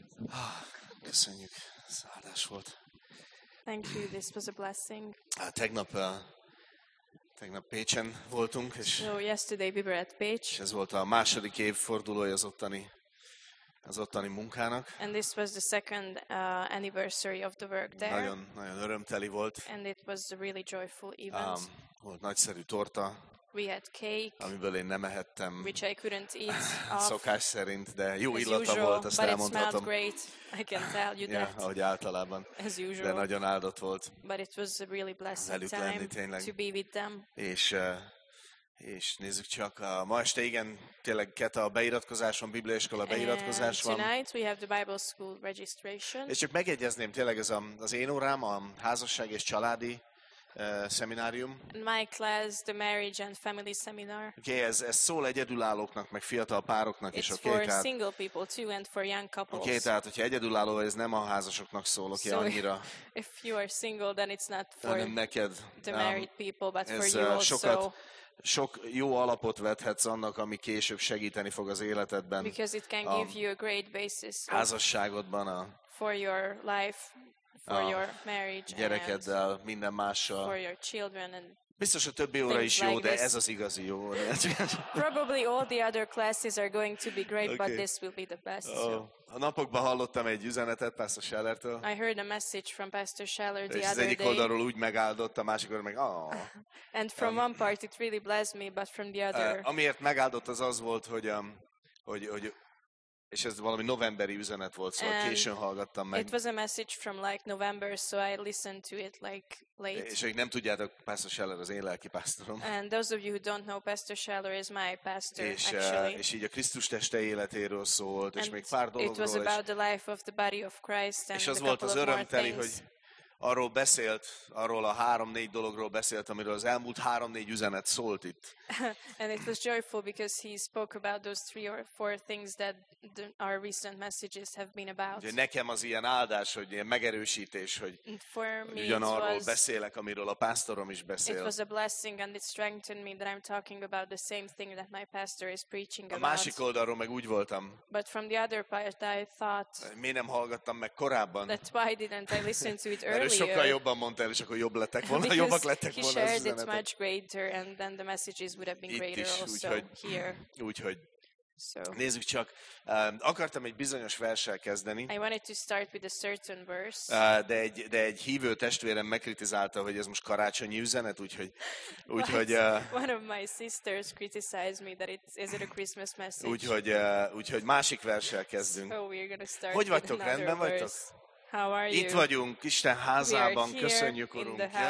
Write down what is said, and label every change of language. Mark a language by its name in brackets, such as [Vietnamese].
[Hungarian] Ah, köszönjük, ez áldás volt. [English] Thank you, this was a blessing. [Hungarian] Tegnap Pécsen voltunk, és [English] so yesterday we were at Pécs. [Hungarian] Ez volt a második évfordulója az ottani munkának. [English] And this was the second anniversary of the work there. [Hungarian] Nagyon, nagyon örömteli volt. [English] And it was a really joyful event. [Hungarian] Volt nagyszerű torta. [English] We had cake, [Hungarian] amiből én nem ehettem, [English] which I couldn't eat [Hungarian] szokás [English] off, [Hungarian] szerint, de jó illata volt, azt elmondhatom. [English] Great, I can tell you yeah, that. [Hungarian] Ahogy általában, [English] as usual. [Hungarian] De nagyon áldott volt. [English] But it was a really blessed [Hungarian] velük [English] time [Hungarian] lenni, tényleg. [English] To be with them. [Hungarian] És nézzük csak, ma este igen, tényleg Keta a beiratkozás van, Bibliaiskola beiratkozás [English] van. Tonight we have the Bible school registration. [Hungarian] És csak megegyezném, tényleg ez az én órám, a házasság és családi szeminárium. [English] My class, the marriage and family seminar. [Hungarian] Okay, ez szól egyedülállóknak, meg fiatal pároknak [English] it's [Hungarian] is, okay? [English] For [Hungarian] tehát, [English] single people too and for young couples. [Hungarian] Okay, tehát hogyha egyedülálló, ez nem a házasoknak szól, okay, [English] so [Hungarian] annyira. [English] If you are single, then it's not for [Hungarian] neked, [English] the married people, but [Hungarian] ez, [English] for you also. [Hungarian] Sokat, sok jó alapot vethetsz annak, ami később segíteni fog az életedben. [English] Because it can give you a great basis. [Hungarian] Házasságodban [English] for your life. For your marriage [Hungarian] gyerekeddel, [English] and [Hungarian] minden mással. [English] For your children and [Hungarian] Biztos a többi óra is jó, de ez az igazi jó óra. [English] Probably all the other classes are going to be great, okay. But this will be the best. Oh. [Hungarian] A napokban hallottam egy üzenetet Pastor Schellertől. [English] I heard a message from Pastor Scheller the other day. Az [Hungarian] egyik oldalról úgy megáldott, a másik oldalról meg ah. [English] And from one part it really blessed me, but from the other. [Hungarian] Amiért megáldott az az volt, hogy és ez valami novemberi üzenet volt, szóval [English] and [Hungarian] későn hallgattam meg. [English] It was a message from like November, so I listened to it like late. [Hungarian] És hogy nem tudjátok, Pastor Scheller az én lelki pásztorom. [English] And those of you who don't know, Pastor Scheller is my pastor, [Hungarian] És így a Krisztus teste életéről szólt, és még pár dologról. [English] It was about the life of the body of Christ and a couple of more things. [Hungarian] És az volt az örömteli, hogy arról beszélt, arról a 3-4 dologról beszélt, amiről az elmúlt 3-4 üzenet szólt itt. [English] And it was joyful because he spoke about those 3 or 4 things that our recent messages have been about. [Hungarian] De nekem az ilyen áldás, hogy ilyen megerősítés, hogy ugyanarról beszélek, amiről a pásztorom is beszél. [English] It was a blessing and it strengthened me that I'm talking about the same thing that my pastor is preaching about. [Hungarian] A másik oldalról meg úgy voltam. [English] But from the other part I thought. [Hungarian] Mi nem hallgattam meg korábban. [English] That's why didn't I listen to it earlier. [Hungarian] Mert sokkal jobban mondta el, és akkor jobb lettek volna, jobbak lettek volna az üzenetek. [English] He shared it much greater and then the message would have been [Hungarian] itt [English] greater [Hungarian] is, [English] also [Hungarian] úgy, [English] here. [Hungarian] Úgyhogy nézzük csak. Akartam egy bizonyos verssel kezdeni. [English] I wanted to start with a certain verse. [Hungarian] De egy hívő testvérem megkritizálta, hogy ez most karácsonyi üzenet, úgyhogy [English] one of my sisters criticized me that is it a Christmas message. [Hungarian] Úgyhogy másik verssel kezdünk. [English] So we're gonna start. [Hungarian] Hogy vagytok, rendben vagytok? [English] How are you? [Hungarian] Itt vagyunk, Isten házában, köszönjük, Urunk.